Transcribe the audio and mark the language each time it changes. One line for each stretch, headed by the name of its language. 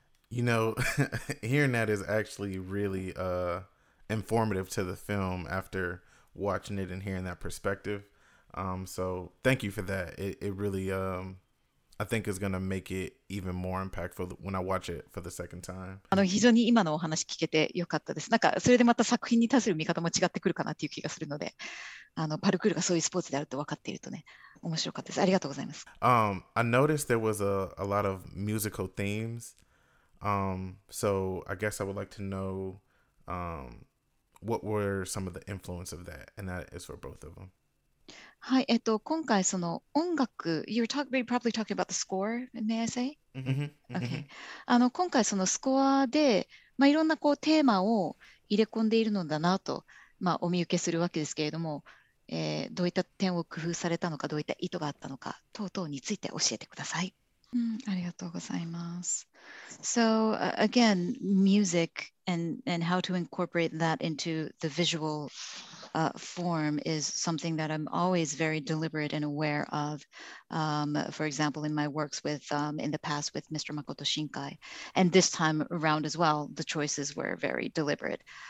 English: Hearing that is actually really informative to the film after watching it and hearing that perspective. So thank you for that. It really I think is gonna make it even more impactful when I watch it for the second time.
Japanese: 非常に今のお話聞けてよかったです。なんかそれでまた作品に対する見方も違ってくるかなっていう気がするので、パルクールがそういうスポーツであると分かっているとね、面白かったです。ありがとうございます。
English: I noticed there was a lot of musical themes. So I guess I would like to know what were some of the influence of that, and that is for both of them.
Japanese: はい、今回その音楽、
English: you're probably talking about the score, may I say? Okay.
Japanese: 今回そのスコアで、いろんなこうテーマを入れ込んでいるのだなと、お見受けするわけですけれども、どういった点を工夫されたのか、どういった意図があったのか、等々について教えてください。ありがとうございます。
English: So, again, music and how to incorporate that into the visual Form is something that I'm always very deliberate and aware of. For example, in my works with, in the past with Mr. Makoto Shinkai, and this time around as well, the choices were very deliberate.